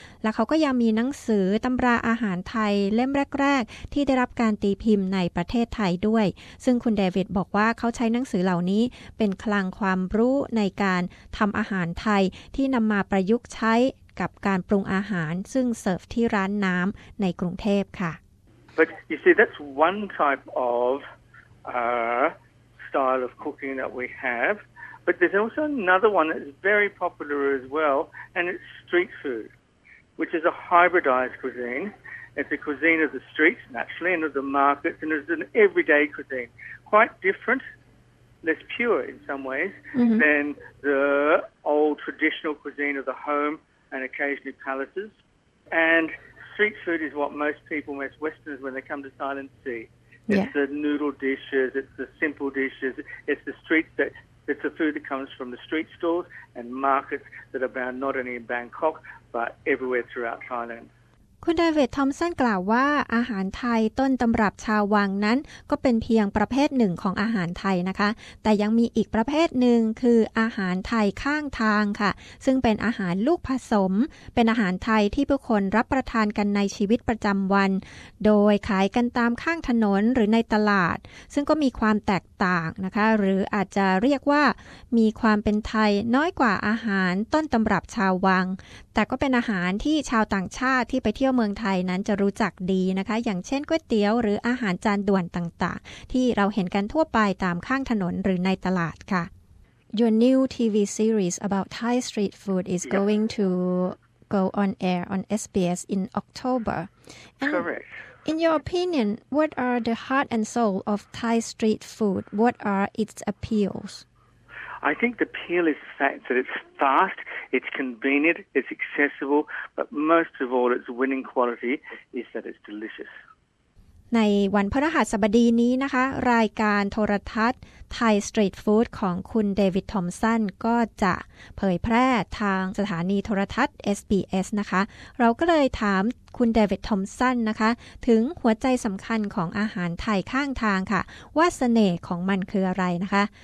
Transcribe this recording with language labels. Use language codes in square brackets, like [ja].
[th] และเขาก็ยังมีหนังสือตำราอาหารไทยเล่มแรกๆที่ได้รับการตีพิมพ์ในประเทศไทยด้วยซึ่งคุณเดวิดบอกว่าเขาใช้หนังสือเหล่านี้เป็นคลังความรู้ในการทำอาหารไทยที่นำมาประยุกต์ใช้กับการปรุงอาหารซึ่งเสิร์ฟที่ร้านน้ำในกรุงเทพค่ะ [en] But you see that's one type of style of cooking that we have but there's also another one that's very popular as well and it's street food which is a hybridized cuisine it's a cuisine of the streets naturally and of the markets and it's an everyday cuisine quite differentless pure in some ways mm-hmm. than the old traditional cuisine of the home and occasionally palaces. And street food is what most people, most Westerners, when they come to Thailand see. It's the noodle dishes, it's the simple dishes, it's the streets that, it's the food that comes from the street stores and markets that are found not only in Bangkok, but everywhere throughout Thailand. [th] คุณเดวิดทอมสันกล่าวว่าอาหารไทยต้นตำรับชาววังนั้นก็เป็นเพียงประเภทหนึ่งของอาหารไทยนะคะแต่ยังมีอีกประเภทหนึ่งคืออาหารไทยข้างทางค่ะซึ่งเป็นอาหารลูกผสมเป็นอาหารไทยที่ผู้คนรับประทานกันในชีวิตประจำวันโดยขายกันตามข้างถนนหรือในตลาดซึ่งก็มีความแตกต่างนะคะหรืออาจจะเรียกว่า มีความเป็นไทยน้อยกว่าอาหารต้นตำรับชาววังแต่ก็เป็นอาหารที่ชาวต่างชาติที่ไปเที่ยวเมืองไทยนั้นจะรู้จักดีนะคะอย่างเช่นก๋วยเตี๋ยวหรืออาหารจานด่วนต่างๆที่เราเห็นกันทั่วไปตามข้างถนนหรือในตลาดค่ะ [en] Your new TV series about Thai street food is going to go on air on SBS in October. And Correct. In your opinion, what are the heart and soul of Thai street food? What are its appeals? I think the appeal is the fact that it's fast, it's convenient, it's accessible, but most of all, its winning quality is that it's delicious. [th] ในวันพฤหัสบดีนี้นะคะรายการโทรทัศน์ Thai Street Food ของคุณเดวิดทอมสันก็จะเผยแพร่ทางสถานีโทรทัศน์ SBS นะคะเราก็เลยถามคุณเดวิดทอมสันนะคะถึงหัวใจสำคัญของอาหารไทยข้างทางค่ะว่าเสน่ห์ของมันคืออะไรนะคะ